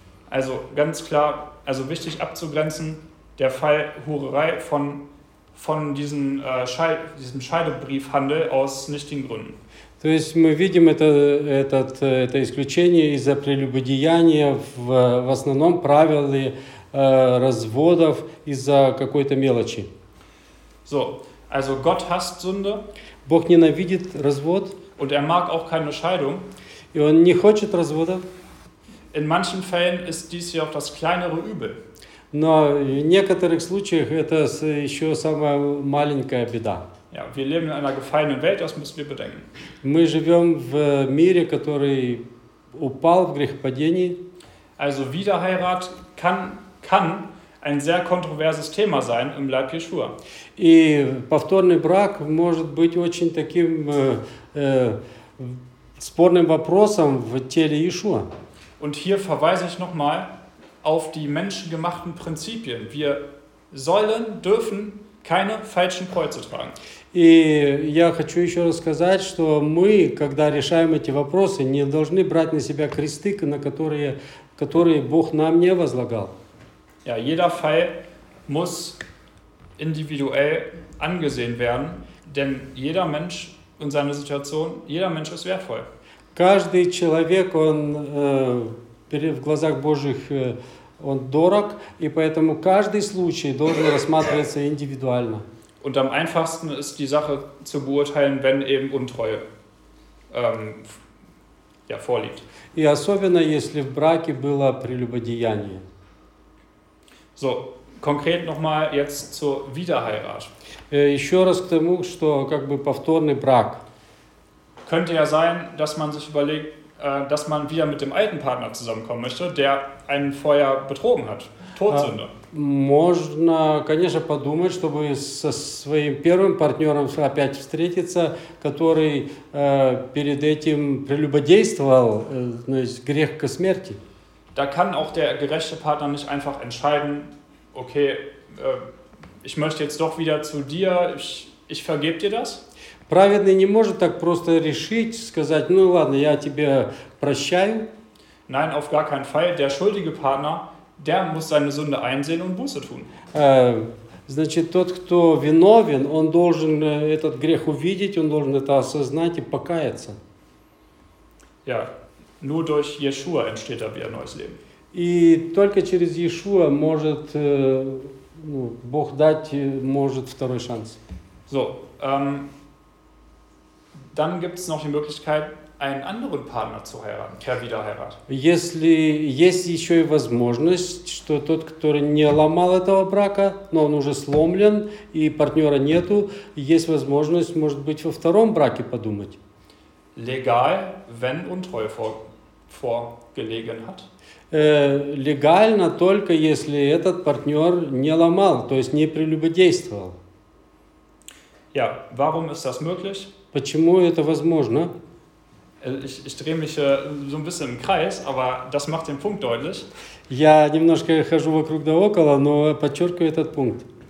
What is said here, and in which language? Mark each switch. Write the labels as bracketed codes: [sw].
[de] Also ganz klar, also wichtig abzugrenzen, der Fall Hurerei von diesem Scheidebriefhandel aus nichtigen Gründen. [ru] То есть мы видим это исключение из-за прелюбодеяния в основном правилы разводов из-за какой-то мелочи. [de] So, also Gott hasst Sünde. [ru] Бог ненавидит развод. [de] Und er mag auch keine Scheidung. [ru] И он не хочет развода. [de] In manchen Fällen ist dies hier auch das kleinere Übel. [ru] Но в некоторых случаях это еще самая маленькая беда. [de] Ja, wir leben in einer gefallenen Welt, das müssen wir bedenken. [ru] Мы живем в мире, который упал в грехопадении. [de] Also Wiederheirat kann ein sehr kontroverses Thema sein im Leib Jeschua. [ru] И повторный брак может быть очень таким спорным вопросом в теле Иешуа. [de] Und hier verweise ich nochmal auf die menschengemachten Prinzipien. Wir sollen, dürfen keine falschen Kreuze tragen. [ru] И я хочу еще раз сказать, что мы, когда решаем эти вопросы, не должны брать на себя кресты, на которые Бог нам не возлагал. [de] Ja, jeder Fall muss individuell angesehen werden, denn jeder Mensch und seine Situation, jeder Mensch ist wertvoll. [ru] Каждый человек, он в глазах Божьих, он дорог, и поэтому каждый случай должен рассматриваться индивидуально. [de] Und am einfachsten ist die Sache zu beurteilen, wenn eben Untreue vorliegt. [ru] И особенно, если в браке было прелюбодеяние. [de] So, konkret nochmal jetzt zur Wiederheirat. [ru] Еще раз к тому, что как бы повторный брак. [de] Könnte ja sein, dass man sich überlegt, dass man wieder mit dem alten Partner zusammenkommen möchte, der einen vorher betrogen hat. Todsünde. [ru] Можно, конечно, подумать, чтобы со своим первым партнером опять встретиться, который перед этим прелюбодействовал, то есть грех к смерти. [de] Da kann auch der gerechte Partner nicht einfach entscheiden, okay, ich möchte jetzt doch wieder zu dir, ich vergebe dir das. [ru] Праведный не может так просто решить, сказать, ну ладно, я тебе прощаю. [de] Nein, auf gar keinen Fall. Der schuldige Partner, der muss seine Sünde einsehen und Buße tun. [ru] Значит, тот, кто виновен, он должен этот грех увидеть, он должен это осознать и покаяться. [de] Ja, nur durch Yeshua entsteht da wieder neues Leben. [ru] И только через Yeshua может Бог дать, может второй шанс. [de] So, dann gibt es noch die Möglichkeit, einen anderen Partner zu heiraten, per Wiederheirat. [ru] Если есть еще и возможность, что тот, который не ломал этого брака, но он уже сломлен и партнера нету, есть возможность, может быть, во втором браке подумать. [de] Legal, wenn Untreue vorgelegen hat. [ru] Легально только, если этот партнер не ломал, то есть не прелюбодействовал. [de] Ja, warum ist das möglich? [ru] Почему это возможно? [de] Ich drehe mich so ein bisschen im Kreis, aber das macht den Punkt deutlich. [ru] Я немножко хожу вокруг да около, но подчеркиваю этот пункт.